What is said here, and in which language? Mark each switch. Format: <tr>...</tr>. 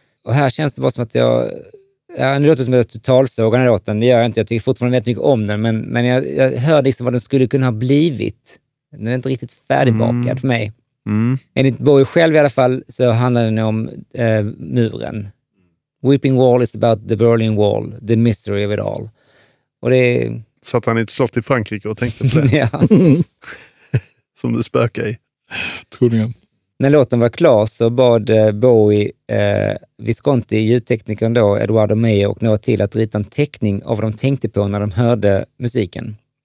<sv>Och här känns det bara som att jag... Ja, det låter som att jag totalsåg den här låten. Det gör jag inte. Jag tycker fortfarande väldigt mycket om den. Men jag hör liksom vad den skulle kunna ha blivit. Den är inte riktigt färdigbakad för mig. Enligt Bowie själv i alla fall så handlar den om muren.</sv> <en>Weeping Wall is about the Berlin Wall, the mystery of it all.</en> <sv>Och det är... Satt han i ett slott i Frankrike och tänkte på det. Som det spökar i. Tror jag. När låten var klar så bad Bowie Visconti, ljudteknikern då, Eduardo Meyer och Noah till att rita en teckning av vad de tänkte på när de hörde musiken.</sv>